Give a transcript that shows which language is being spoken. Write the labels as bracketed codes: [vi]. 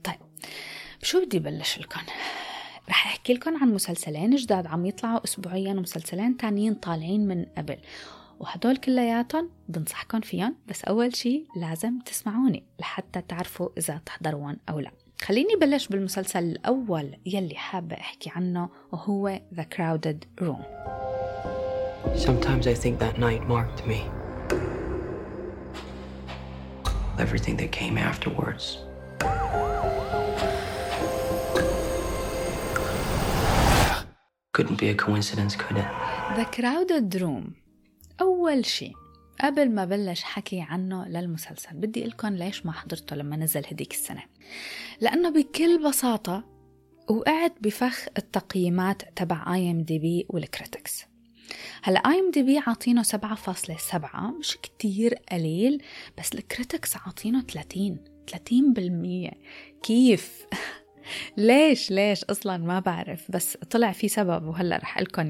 [ar] طيب بشو بدي بلش لكم؟ رح أحكي لكم عن مسلسلين جداد عم يطلعوا أسبوعيا ومسلسلين تانيين طالعين من قبل، وهدول كلياتهم بنصحكم فيهم، بس أول شي لازم تسمعوني لحتى تعرفوا إذا تحضرون أو لا. خليني بلش بالمسلسل الأول يلي حابة أحكي عنه وهو The Crowded Room. [en] Sometimes I think that night marked me. Everything that came afterwards. Couldn't be a coincidence, could it? The Crowded Room. [ar] أول شيء قبل ما بلش حكي عنه للمسلسل بدي أقولكم ليش ما حضرته لما نزل هديك السنة، لأنه بكل بساطة وقعت بفخ التقييمات تبع IMDB والكريتكس. هلأ IMDB عطينه 7.7، مش كتير قليل، بس الكريتكس عطينه 30% كيف؟ ليش أصلا ما بعرف، بس طلع في سبب وهلأ رح قلكن.